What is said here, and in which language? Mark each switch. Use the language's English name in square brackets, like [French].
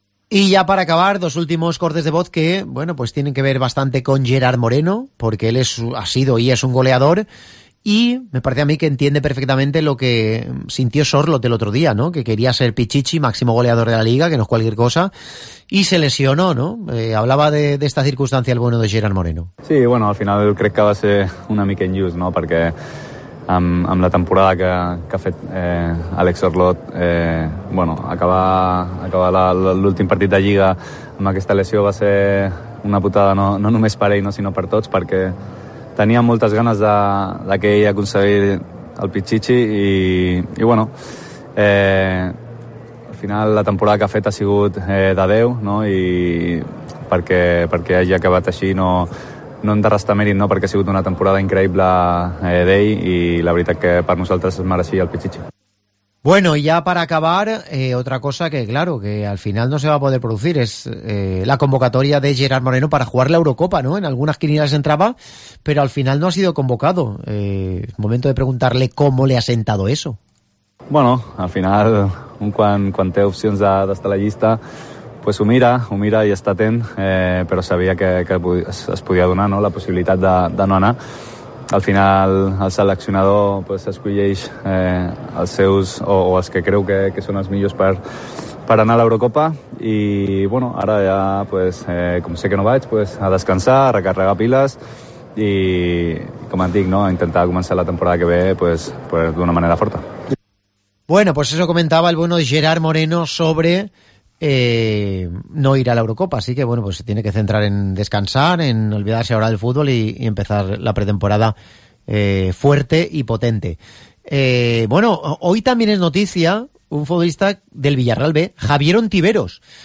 [Spanish] Y ya para acabar, dos últimos cortes de voz que, bueno, pues tienen que ver bastante con Gerard Moreno, porque él ha sido y es un goleador, y me parece a mí que entiende perfectamente lo que sintió Sorloth el otro día, ¿no? Que quería ser Pichichi, máximo goleador de la liga, que no es cualquier cosa, y se lesionó, ¿no? Hablaba de esta circunstancia el bueno de Gerard Moreno. Sí, bueno, al final creo que va a ser [Catalan] una mica injust, [Spanish] ¿no? [Catalan] Porque amb la temporada que ha fet Àlex Sorloth, bueno, acabar l'últim partit de Lliga amb aquesta lesió va ser una putada no només per ell, no, sinó per tots, perquè tenia moltes ganes de que ell aconseguís el Pichichi i bueno, al final la temporada que ha fet ha sigut de Déu, no, i perquè hagi acabat així no hem de restar mèrit, no, perquè ha sigut una temporada increïble d'ell i la veritat que per nosaltres es mereixia el Pichichi. [Spanish] Bueno, y ya para acabar, otra cosa que, claro, que al final no se va a poder producir, es la convocatoria de Gerard Moreno para jugar la Eurocopa, ¿no? En algunas quinielas entraba, pero al final no ha sido convocado. Momento de preguntarle cómo le ha sentado eso. [Catalan] Bueno, al final, quan té opcions d'estar a la llista, pues ho mira i està atent, però sabia que es podia donar, no?, la possibilitat de no anar. Al final el seleccionador pues, escolleix els seus o els que creu que són els millors per anar a l'Eurocopa i bueno, ara ja pues, com sé que no vaig, pues, a descansar, a recarregar piles i com et dic, no?, a intentar començar la temporada que ve pues, d'una manera forta. [Spanish] Bueno, pues eso comentava el bueno Gerard Moreno sobre no ir a la Eurocopa, así que bueno, pues se tiene que centrar en descansar, en olvidarse ahora del fútbol y empezar la pretemporada fuerte y potente. Bueno, hoy también es noticia un futbolista del Villarreal B, Javier Ontiveros.